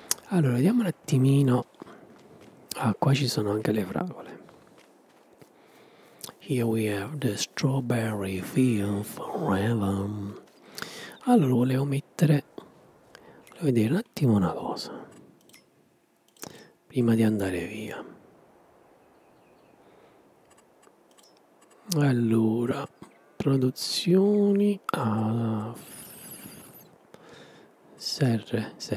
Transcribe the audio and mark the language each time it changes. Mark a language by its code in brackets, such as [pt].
[it] Allora, vediamo un attimino. Ah, qua ci sono anche le fragole. [en] Here we have the strawberry field forever. [it] Allora, volevo mettere, volevo vedere un attimo una cosa prima di andare via. Allora, produzioni a serre.